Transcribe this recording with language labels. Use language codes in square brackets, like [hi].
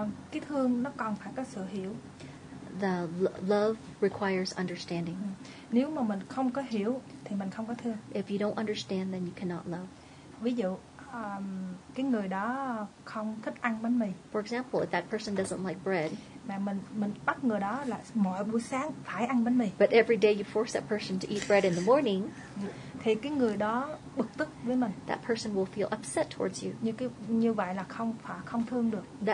[vi] Cái thương nó cần phải có sự hiểu. [en] The love requires understanding. [vi] Nếu mà mình không có hiểu thì mình không có thương. [en] If you don't understand, then you cannot love. [vi] Ví dụ, cái người đó không thích ăn bánh mì. [en] For example, if that person doesn't like bread. [vi] Mà mình bắt người đó là mỗi buổi sáng phải ăn bánh mì. [en] But every day you force that person to eat bread in the morning. [vi] Thì cái người đó bực tức với mình. [en] That person will feel upset towards you. [vi] Như vậy là không thương được.